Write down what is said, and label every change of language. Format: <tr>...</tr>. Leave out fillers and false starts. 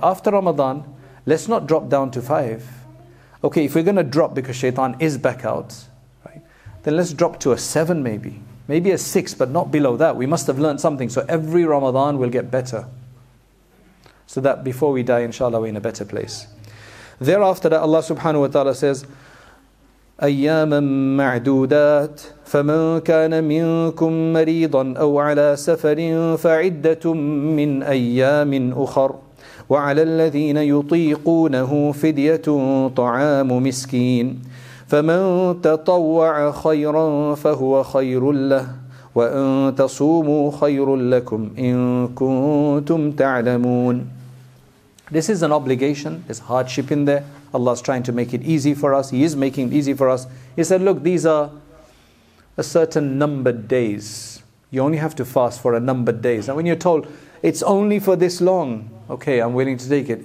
<en>After Ramadan, let's not drop down to 5. Okay, if we're going to drop because shaitan is back out, right? Then let's drop to a 7 maybe. Maybe a 6, but not below that. We must have learned something. So every Ramadan will get better. So that before we die, inshallah, we're in a better place. Thereafter, that Allah subhanahu wa ta'ala says,</en> <ar>أَيَّامًا مَعْدُودَاتٍ فَمَنْ كَانَ مِنْكُمْ مَرِيضًا أَوْ عَلَى سَفَرٍ فَعِدَّةٌ مِّنْ أَيَّامٍ أُخَرٍ وَعَلَى الَّذِينَ يُطِيقُونَهُ فِدْيَةٌ طَعَامُ مِسْكِينٍ فَمَنْ تَطَوَّعَ خَيْرًا فَهُوَ خَيْرٌ لَهُ وَأَنْ تَصُومُوا خَيْرٌ لَكُمْ إِنْ كُنْتُمْ تَعْلَمُونَ.</ar> <en>This is an obligation, there's hardship in there. Allah's trying to make it easy for us. He is making it easy for us. He said, look, these are a certain numbered days. You only have to fast for a numbered days. And when you're told, it's only for this long, okay, I'm willing to take it.</en>